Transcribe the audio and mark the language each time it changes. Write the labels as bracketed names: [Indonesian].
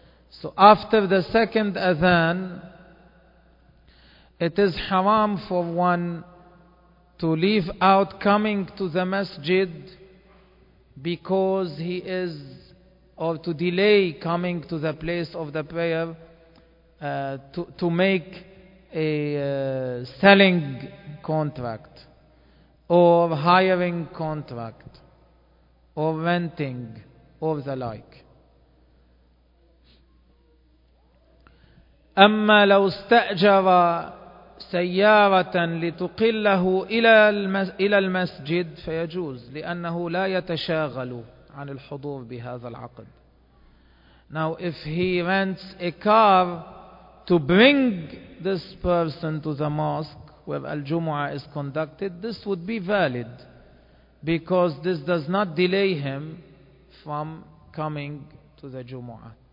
[English] So after the second Adhan, it is haram for one to leave out coming to the masjid because he is, or to delay coming to the place of the prayer to make a selling contract or hiring contract or renting or the like. [Arabic] أما لو استأجر سيارة لتقله إلى المسجد فيجوز لأنه لا يتشاغل عن الحضور بهذا العقد. [English] Now if he rents a car to bring this person to the mosque where Al-Jumu'ah is conducted, this would be valid because this does not delay him from coming to the Jumu'ah.